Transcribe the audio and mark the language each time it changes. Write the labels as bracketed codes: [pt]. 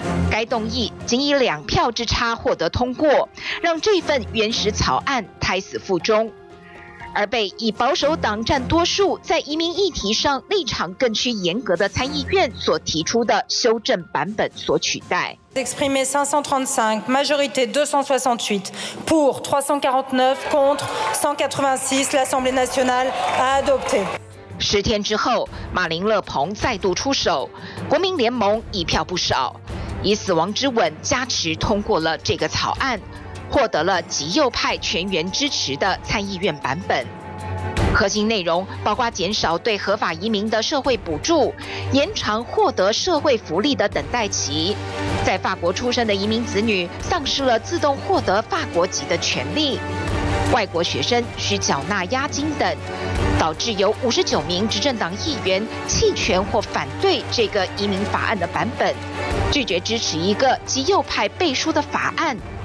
[zh] 该动议仅以2票之差获得通过，让这份原始草案胎死腹中。而被以保守党占多数，在移民议题上立场更趋严格的参议院所提出的修正版本所取代。 [fr] Exprimé 535, majorité 268 pour 349 contre 186, l'Assemblée nationale a adopté. [zh] 10天之后，马林勒鹏再度出手，国民联盟一票不少，以死亡之吻加持通过了这个草案。获得了极右派全员支持的参议院版本，核心内容包括减少对合法移民的社会补助，延长获得社会福利的等待期，在法国出生的移民子女丧失了自动获得法国籍的权利，外国学生需缴纳押金等，导致有59名执政党议员弃权或反对这个移民法案的版本，拒绝支持一个极右派背书的法案。